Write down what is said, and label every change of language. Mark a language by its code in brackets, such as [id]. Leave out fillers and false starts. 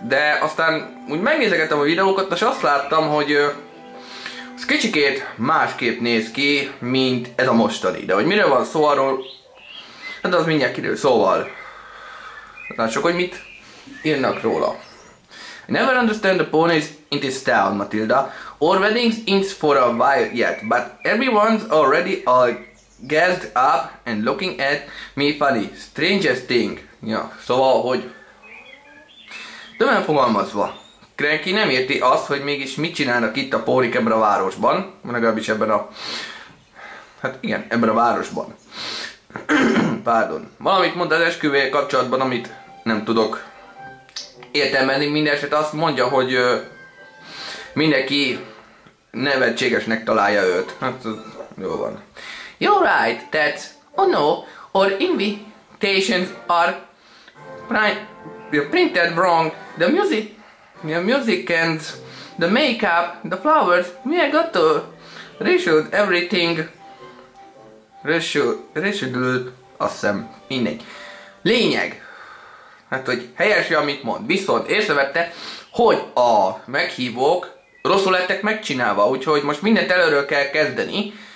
[hu] De aztán úgy megnézegettem a videókat, és azt láttam, hogy ez kicsikét másképp néz ki, mint ez a mostani. De hogy miről van szó arról, hát az mindjárt kiderül. Szóval, lássuk, hogy mit írnak róla. [en] I never understand the ponies in this town, Matilda. Our weddings ain't for a while yet, but everyone's already all gassed up and looking at me funny. Strangest thing. [hu] Ja, szóval, hogy tömően fogalmazva. Cranky nem érti azt, hogy mégis mit csinálnak itt a pónik ebben a városban. Legalábbis ebben a... Hát igen, ebben a városban. Pardon. Valamit mond az esküvővel kapcsolatban, amit nem tudok értelmezni. Mindeset azt mondja, hogy mindenki nevetségesnek találja őt. Hát, jó van. [en] You're right, that's... Oh no, our invitations are printed wrong. The music and the makeup, the flowers, we have got to reshoot everything. [hu] Reshoot, azt hiszem, mindegy. Lényeg, hát hogy helyes, amit mond, viszont észrevette, hogy a meghívók rosszul lettek megcsinálva, úgyhogy most mindent előről kell kezdeni.